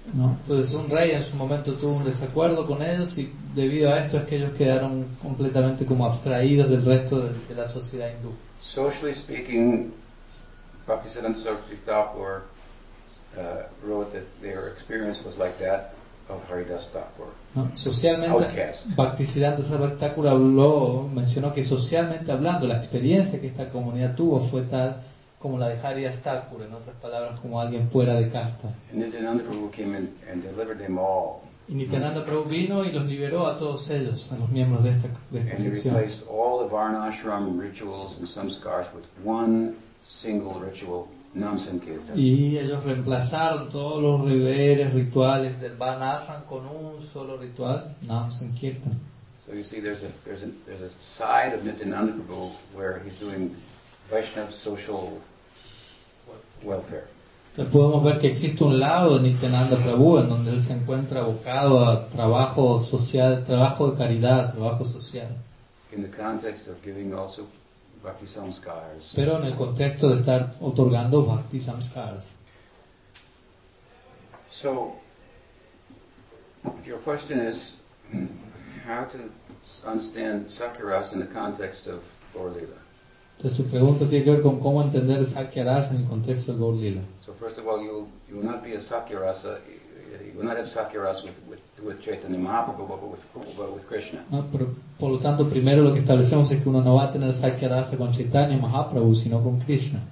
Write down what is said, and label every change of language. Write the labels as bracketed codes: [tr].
[es] No, entonces un rey en su momento tuvo un desacuerdo con ellos, y debido a esto es que ellos quedaron completamente como abstraídos del resto de la sociedad hindú. [en] Socially speaking, Bhaktisiddhanta Saraswati Thakur wrote that their experience was like that of Haridas Thakur. [es] No, socialmente, outcast. Bhaktisiddhanta Saraswati Thakur mencionó que socialmente hablando, la experiencia que esta comunidad tuvo fue tal como la de Haridas Thakur, en otras palabras, como alguien fuera de casta. [en] And Nityananda Prabhu came in and delivered them all. [es] Y Nityananda Prabhu vino y los liberó a todos ellos, a los miembros de esta sección. [en] And he replaced all the Varnashram rituals and samskars with one single ritual, Namsankirtan. [es] Y ellos reemplazaron todos los deberes rituales del Varnashram con un solo ritual, Namsankirtan. [en] So you see, there's a side of Nityananda Prabhu where he's doing Vaishnav social welfare. [es] Entonces podemos ver que existe un lado de Nityananda Prabhu en donde él se encuentra abocado a trabajo social, trabajo de caridad, trabajo social. [en] In the context of giving also bhakti samskars. [es] Pero en el contexto de estar otorgando bhakti samskars. [en] So, your question is how to understand sakyaras in the context of Gaur Lila. [es] Entonces tu pregunta tiene que ver con cómo entender Sakyaras en el contexto de Gaur Lila. [en] So first of all, you will not be a Sakyarasa, you will not have Sakyaras with Chaitanya Mahaprabhu, but with Krishna. [es] No, pero, por lo tanto, primero lo que establecemos es que uno no va a tener Sakyarasa con Chaitanya Mahaprabhu, sino con Krishna.